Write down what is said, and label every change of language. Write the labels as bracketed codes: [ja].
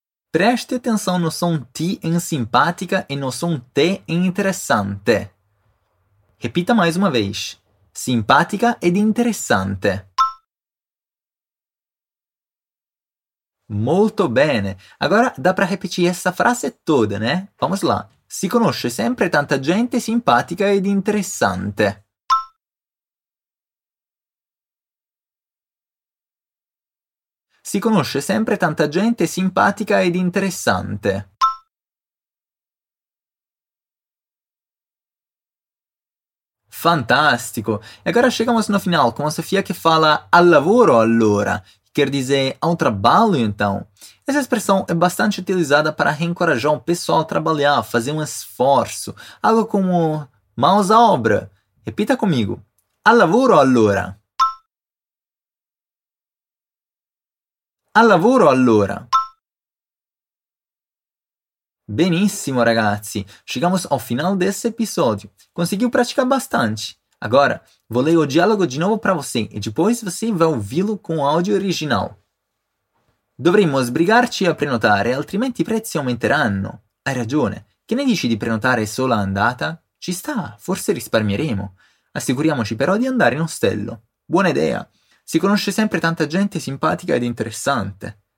[pt] Preste atenção no som T em simpática e no som T em interessante. Repita mais uma vez. [it] Simpática ed interessante. Molto bene. [pt] Agora dá para repetir essa frase toda, né? Vamos lá. [it] Si conosce sempre tanta gente simpatica ed interessante. Si conosce sempre tanta gente simpatica ed interessante. Fantastico! [pt] E agora chegamos no final com a Sofia che fala [it] al lavoro allora, [pt] che quer dizer ao trabalho então. Essa expressão é bastante utilizada para reencorajar o pessoal a trabalhar, fazer um esforço, algo como mãos à obra. Repita comigo. [it] Al lavoro allora. Al lavoro allora. Benissimo, ragazzi. [pt] Chegamos ao final desse episódio. Conseguiu praticar bastante. Agora, vou ler o diálogo de novo para você e depois você vai ouvi-lo com o áudio original. [it] Dovremmo sbrigarci a prenotare, altrimenti i prezzi aumenteranno. Hai ragione. Che ne dici di prenotare solo andata? Ci sta, forse risparmieremo. Assicuriamoci però di andare in ostello. Buona idea. Si conosce sempre tanta gente simpatica ed interessante.